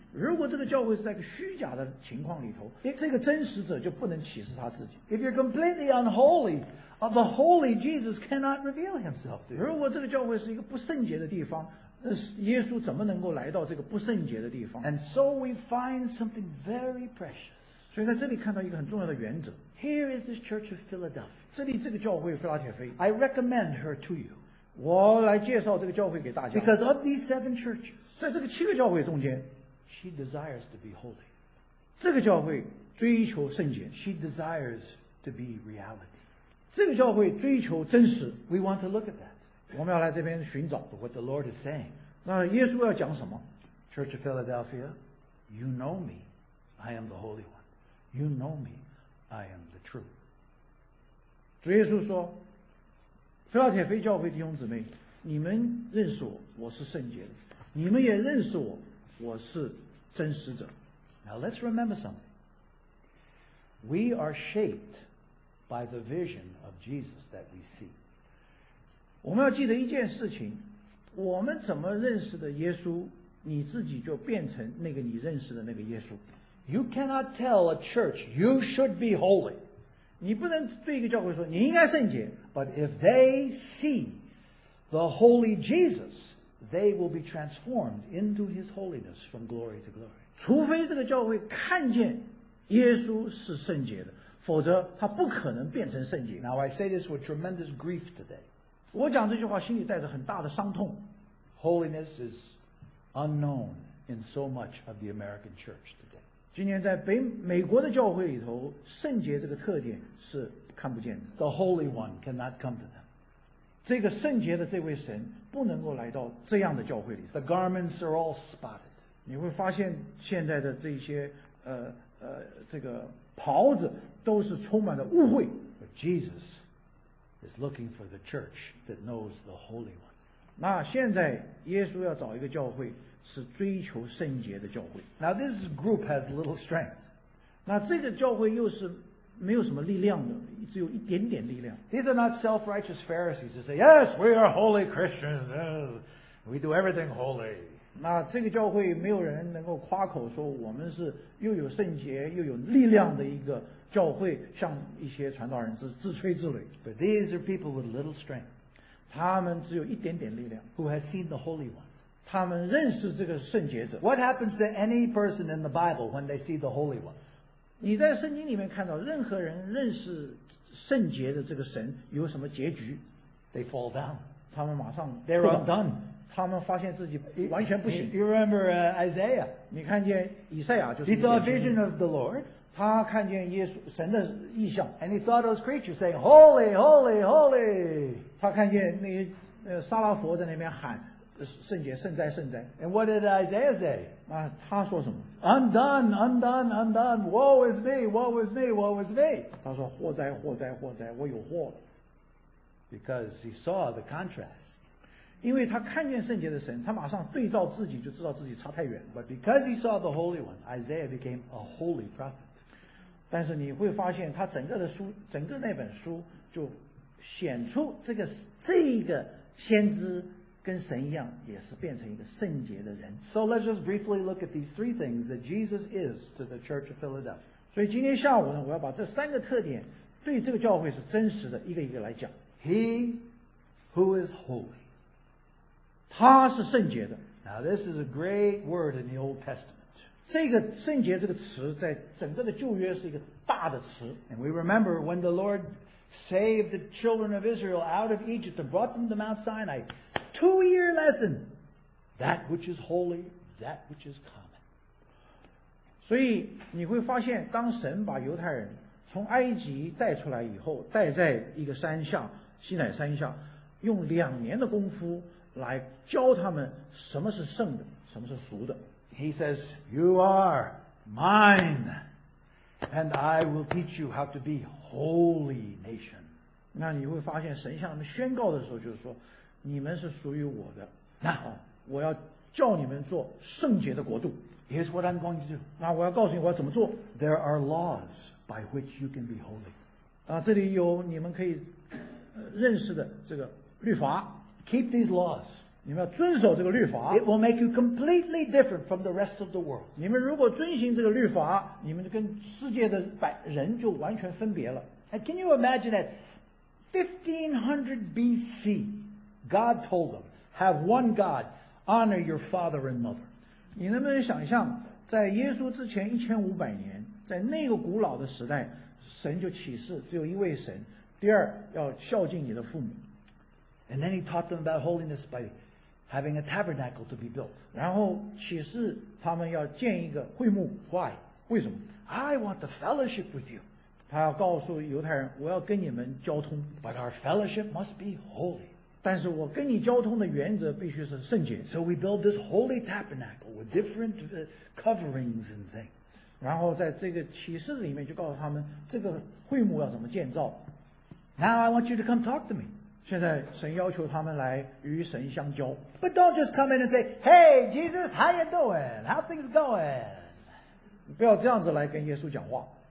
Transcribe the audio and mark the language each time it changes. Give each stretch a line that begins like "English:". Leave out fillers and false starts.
Chinese: 如果这个教会是在个虚假的情况里头，这个真实者就不能启示他自己。
English: If you're completely unholy, the holy Jesus cannot reveal himself to you.
Chinese: 如果这个教会是一个不圣洁的地方，耶稣怎么能够来到这个不圣洁的地方？
English: And so we find something very precious.
Chinese: 所以在这里看到一个很重要的原则。
English: Here is this church of Philadelphia.
Chinese: 这里这个教会腓拉铁菲。
English: I recommend her to you.
Chinese: 我来介绍这个教会给大家。
English: Because of these seven churches,
Chinese: 在这个七个教会中间
English: ，she desires to be holy.
Chinese: 这个教会追求圣洁。
English: She desires to be reality.
Chinese: 这个教会追求真实。
English: We want to look at that.
Chinese: 我们要来这边寻找。
English: But what the Lord is saying.
Chinese: 那耶稣要讲什么
English: ？Church of Philadelphia, you know me. I am the Holy One. You know me, I am the true.
Chinese: 主耶稣说，腓立比教会弟兄姊妹，你们认识我，我是圣洁的，你们也认识我，我是真实者。
English: Now let's remember something. We are shaped by the vision of Jesus that we see.
Chinese: 我们要记得一件事情，我们怎么认识的耶稣，你自己就变成那个你认识的那个耶稣。
English: You cannot tell a church you should be holy.
Chinese: 你不能对一个教会说你应该圣洁。
English: But if they see the holy Jesus, they will be transformed into his holiness from glory to glory.
Chinese: 除非这个教会看见耶稣是圣洁的，否则他不可能变成圣洁。
English: Now I say this with tremendous grief today.
Chinese: 我讲这句话心里带着很大的伤痛。
English: Holiness is unknown in so much of the American church today.
Chinese: 今天在美国的教会里头，圣洁这个特点是看不见的。
English: The Holy One cannot come to them.
Chinese: 这个圣洁的这位神不能够来到这样的教会里头。
English: The garments are all spotted.
Chinese: 你会发现现在的这些这个袍子都是充满了污秽。
English: But Jesus is looking for the church that knows the Holy One.
Chinese: 那现在耶稣要找一个教会是追求圣洁的教会。
English: Now this group has little strength.
Chinese: 那这个教会又是没有什么力量的，只有一点点力量。
English: These are not self-righteous Pharisees who say, yes, we are holy Christians, yes, we do everything holy.
Chinese: 那这个教会没有人能够夸口说我们是又有圣洁又有力量的一个教会，像一些传道人是自吹自擂。
English: But these are people with little strength.
Chinese: 他们只有一点点力量。
English: Who has seen the Holy One?
Chinese: 他们认识这个圣洁者。
English: What happens to any person in the Bible when they see the Holy One?
Chinese: 你在圣经里面看到任何人认识圣洁的这个神有什么结局？
English: They fall down.
Chinese: 他们马上
English: They're undone.
Chinese: 他们发现自己完全不行。
English: You remember Isaiah?
Chinese: 你看见以赛亚就是。
English: He saw a vision of the Lord.
Chinese: 他看见耶稣神的异象
English: ，and he saw those creatures saying, "Holy, holy, holy."
Chinese: 他看见那些撒拉佛在那边喊圣洁，圣哉，圣哉。
English: And what did Isaiah say?
Chinese: 啊，他说什么
English: ？Undone, undone, undone. Woe is me, woe is me, woe is me.
Chinese: 他说祸灾，祸灾，祸灾，我有祸了。
English: Because he saw the contrast.
Chinese: 因为他看见圣洁的神，他马上对照自己就知道自己差太远。
English: But because he saw the Holy One, Isaiah became a holy prophet.
Chinese: 但是你会发现他整个的书整个那本书就显出这个先知跟神一样也是变成一个圣洁的人。
English: So let's just briefly look at these three things that Jesus is to the church of Philadelphia.
Chinese: 所以今天下午呢我要把这三个特点对这个教会是真实的一个一个来讲。
English: He who is holy.
Chinese: 他是圣洁的。
English: Now this is a great word in the Old Testament.
Chinese: 这个圣洁这个词在整个的旧约是一个大的词。
English: And we remember when the Lord saved the children of Israel out of Egypt and brought them to Mount Sinai. 2-year lesson. That which is holy, that which is common.
Chinese: 所以你会发现当神把犹太人从埃及带出来以后带在一个山下西乃山下用2年的功夫来教他们什么是圣的什么是俗的。
English: He says, you are mine, and I will teach you how to be holy nation.
Chinese: 那你会发现神向他们宣告的时候就是说你们是属于我的那我要叫你们做圣洁的国度。
English: Here's what I'm going to do.
Chinese: 那我要告诉你我要怎么做。
English: There are laws by which you can be holy.
Chinese: 这里有你们可以认识的这个律法。
English: Keep these laws.
Chinese: 你们要遵守这个律法
English: It will make you completely different from the rest of the world.
Chinese: 你们如果遵行这个律法你们就跟世界的人就完全分别了
English: And can you imagine that 1500 BC God told them have one God honor your father and mother
Chinese: 你能不能想象在耶稣之前1500年在那个古老的时代神就启示只有一位神第二要孝敬你的父母
English: And then he taught them about holiness byHaving a tabernacle to be built.
Chinese: 然后启示他们要建一个会幕
English: Why?
Chinese: 为什么
English: I want to fellowship with you.
Chinese: 他要告诉犹太人我要跟你们交通
English: But our fellowship must be holy.
Chinese: 但是我跟你交通的原则必须是圣洁
English: So we build this holy tabernacle with different coverings and things.
Chinese: 然后在这个启示里面就告诉他们这个会幕要怎么建造
English: Now I want you to come talk to me.
Chinese: 现在神要求他们来与神相交
English: But don't just come in and say Hey Jesus, how you doing? How things going?
Chinese: 不要这样子来跟耶稣讲话